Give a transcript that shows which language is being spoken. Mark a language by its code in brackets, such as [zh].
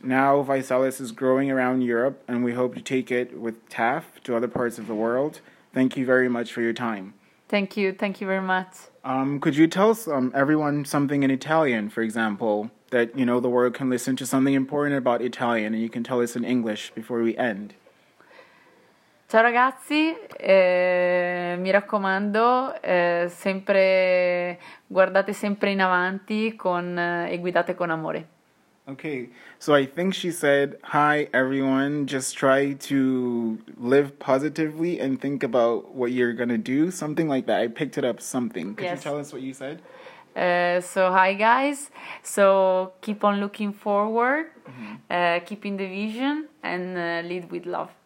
[en] Now Visalis is growing around Europe and we hope to take it with TAF to other parts of the world. Thank you very much for your time. Thank you. Thank you very much. Could you tell everyone something in Italian, for example, that, you know, the world can listen to something important about Italian and you can tell us in English before we end? [it] Ciao ragazzi, mi raccomando, sempre guardate sempre in avanti con e guidate con amore. [en] Okay, so I think she said, hi everyone, just try to live positively and think about what you're going to do, something like that. I picked it up something. Could you tell us what you said? So hi guys, so keep on looking forward, keeping the vision and lead with love.